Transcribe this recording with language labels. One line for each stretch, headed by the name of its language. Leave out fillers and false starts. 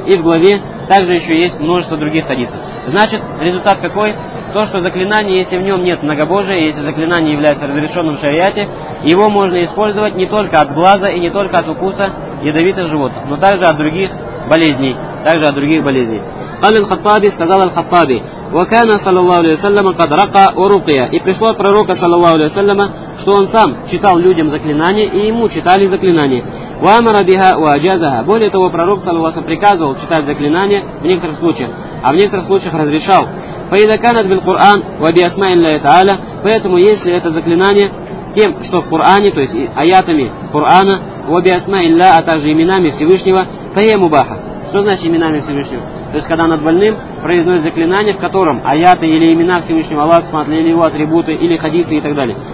Russian: И в главе также еще есть множество других хадисов. Значит, результат какой? То, что заклинание, если в нем нет многобожия, если заклинание является разрешенным в шариате, его можно использовать не только от сглаза и не только от укуса ядовитых животных, но также от других болезней.
Arabic: قال الخطابي
Russian: сказал
Arabic: الخطابي وكان صلى الله عليه وسلم قد رقى ورقيا.
Russian: И пришло от пророка, саллаллаху алейхи ва саллям, что он сам читал людям заклинания, и ему читали заклинания.
Arabic: وامر بها واجازها.
Russian: Более того, пророк, саллаллаху алейхи ва саллям, приказывал читать заклинания в некоторых случаях, а в некоторых случаях разрешал.
Arabic: فإذا كانت بالقرآن وبأسماء الله تعالى.
Russian: Поэтому если это заклинание тем, что в Коране, то есть аятами Корана,
Arabic: وبأسماء الله,
Russian: а также именами Всевышнего,
Arabic: فهي مباحة.
Russian: Что значит именами Всевышнего? То есть, когда над больным произносит заклинание, в котором аяты или имена Всевышнего Аллаха, или его атрибуты, или хадисы и так далее.